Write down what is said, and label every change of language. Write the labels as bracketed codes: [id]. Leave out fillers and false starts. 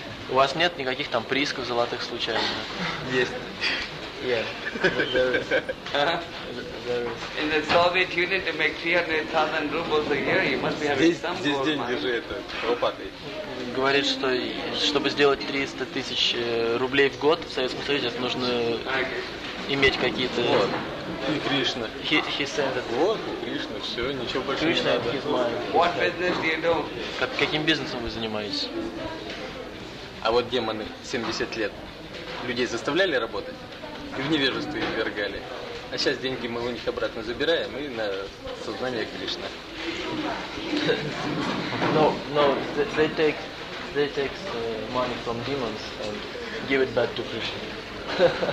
[ru] У вас нет никаких там приисков золотых случайно? Есть. [en] Yeah. In the Soviet Union to make 300,000 rubles a year, you must be having some gold. [ru] Здесь деньги же это, лопатой. Говорит, что чтобы сделать 300 тысяч рублей в год в Советском Союзе, нужно иметь какие-то... Вот. И Кришна. [en] He said that. [ru] Вот, и Кришна, все, ничего больше Кришна не надо. Кришна, [en] what business do you do? [ru] Каким бизнесом вы занимаетесь? А вот демоны, 70 лет, людей заставляли работать? И в невежество их ввергали. А сейчас деньги мы у них обратно забираем и на сознание Кришны. [en] No, they take money from demons and give it back to Krishna.